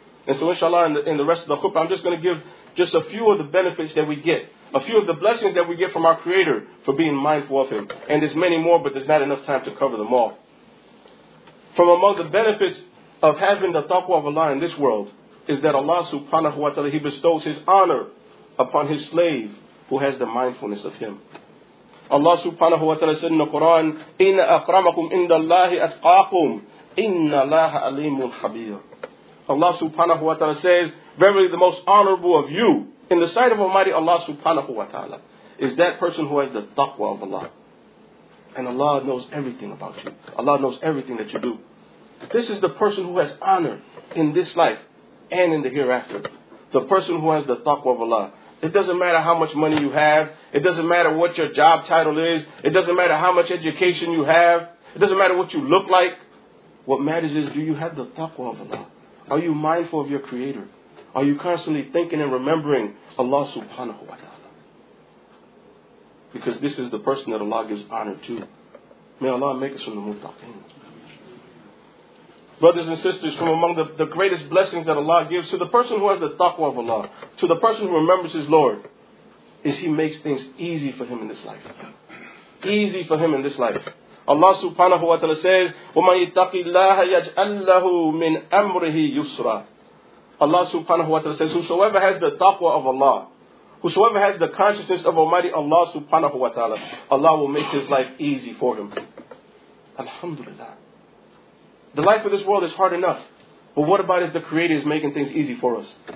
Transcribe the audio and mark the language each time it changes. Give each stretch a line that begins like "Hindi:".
English: And so inshallah, in the rest of the khutbah, I'm just going to give just a few of the benefits that we get, a few of the blessings that we get from our Creator for being mindful of Him. And there's many more, but there's not enough time to cover them all. From among the benefits of having the taqwa of Allah in this world is that Allah subhanahu wa ta'ala, He bestows His honor upon His slave who has the mindfulness of Him. Allah subhanahu wa ta'ala said in the Quran,
Arabic: إِنَّ أَكْرَمَكُمْ إِنَّ اللَّهِ أَتْقَاكُمْ إِنَّ اللَّهَ أَلِيمٌ خَبِيرٌ.
English: Allah subhanahu wa ta'ala says, verily the most honorable of you in the sight of Almighty Allah subhanahu wa ta'ala is that person who has the taqwa of Allah. And Allah knows everything about you. Allah knows everything that you do. This is the person who has honor in this life and in the hereafter. The person who has the taqwa of Allah. It doesn't matter how much money you have. It doesn't matter what your job title is. It doesn't matter how much education you have. It doesn't matter what you look like. What matters is, do you have the taqwa of Allah? Are you mindful of your Creator? Are you constantly thinking and remembering Allah subhanahu wa ta'ala? Because this is the person that Allah gives honor to. May Allah make us from the muttaqin. Brothers and sisters, from among the greatest blessings that Allah gives to the person who has the taqwa of Allah, to the person who remembers his Lord, is He makes things easy for him in this life. Easy for him in this life. Allah subhanahu wa ta'ala says,
Arabic: وَمَنْ يَتَّقِ اللَّهَ يَجْعَلْ لَهُ مِنْ أَمْرِهِ يُسْرًا.
English: Allah subhanahu wa ta'ala says, whosoever has the taqwa of Allah, whosoever has the consciousness of Almighty Allah subhanahu wa ta'ala, Allah will make his life easy for him. Alhamdulillah. The life of this world is hard enough. But what about if the Creator is making things easy for us?